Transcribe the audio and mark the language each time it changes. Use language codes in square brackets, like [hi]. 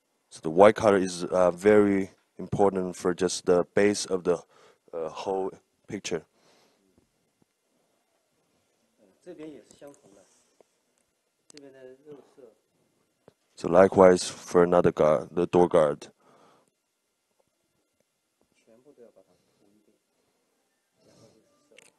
[en] So the white color is very important for just the base of the whole picture. [zh] 这边也是相同的，这边的肉色。 [en] So likewise for another guard, the door guard. [zh] 全部都要把它涂一遍，然后就是手。